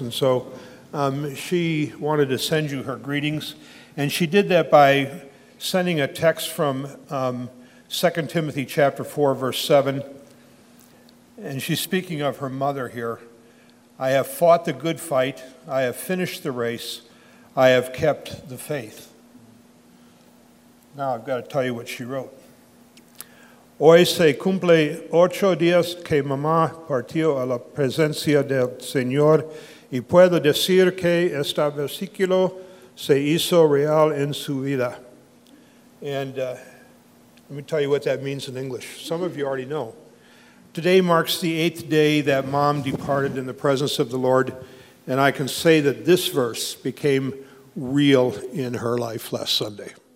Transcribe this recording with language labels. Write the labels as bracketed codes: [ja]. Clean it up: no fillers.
[en] And so she wanted to send you her greetings, and she did that by sending a text from 2 Timothy chapter 4, verse 7. And she's speaking of her mother here. I have fought the good fight. I have finished the race. I have kept the faith. Now I've got to tell you what she wrote. [es] Hoy se cumple ocho días que mamá partió a la presencia del Señor y puedo decir que este versículo se hizo real en su vida. [en] And let me tell you what that means in English. Some of you already know. Today marks the eighth day that mom departed in the presence of the Lord, and I can say that this verse became real in her life last Sunday.